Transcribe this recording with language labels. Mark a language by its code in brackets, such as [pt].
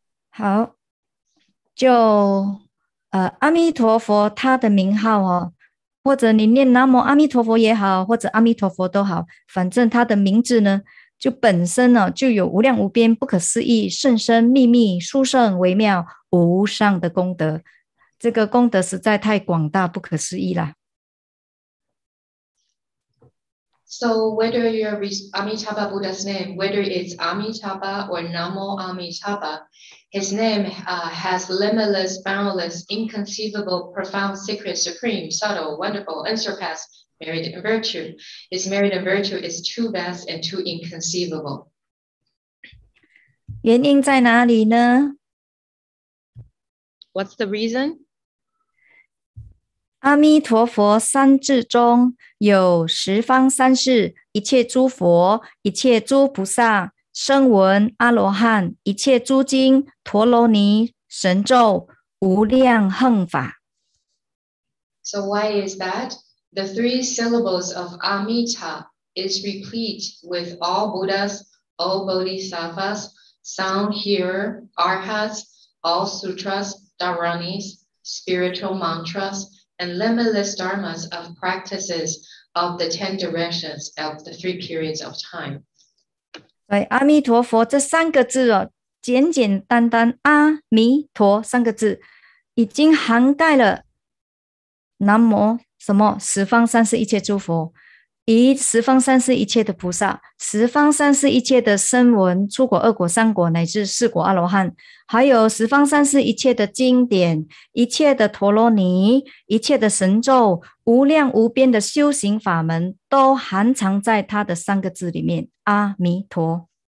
[zh] 好，就阿弥陀佛他的名号哦，或者你念南无阿弥陀佛也好，或者阿弥陀佛都好，反正他的名字呢，就本身呢、哦、就有无量无边、不可思议、甚深秘密、殊胜微妙、无上的功德。这个功德实在太广大，不可思议了。 [en] So whether your Amitabha Buddha's name, whether it's Amitabha or Namo Amitabha, his name has limitless, boundless, inconceivable, profound, secret, supreme, subtle, wonderful, unsurpassed, merit and virtue. His merit and virtue is too vast and too inconceivable. [zh] 原因在哪里呢? [en] What's the reason? [zh] 阿弥陀佛三字中有十方三世一切诸佛一切诸菩萨声闻阿罗汉一切诸经陀罗尼神咒无量横法 [en] So why is that? The three syllables of Amita is replete with all Buddhas, all Bodhisattvas, sound hearer, arhats, all sutras, dharanis, spiritual mantrasAnd limitless dharmas of practices of the ten directions of the three periods of time. [zh] 对，阿弥陀佛这三个字哦，简简单单，阿弥陀三个字，已经涵盖了南无什么十方三世一切诸佛，以十方三世一切的菩萨，十方三世一切的声闻，出果、二果、三果乃至四果阿罗汉，还有十方三世一切的经典，一切的陀罗尼，一切的神咒，无量无边的修行法门，都含藏在他的三个字里面，阿弥陀。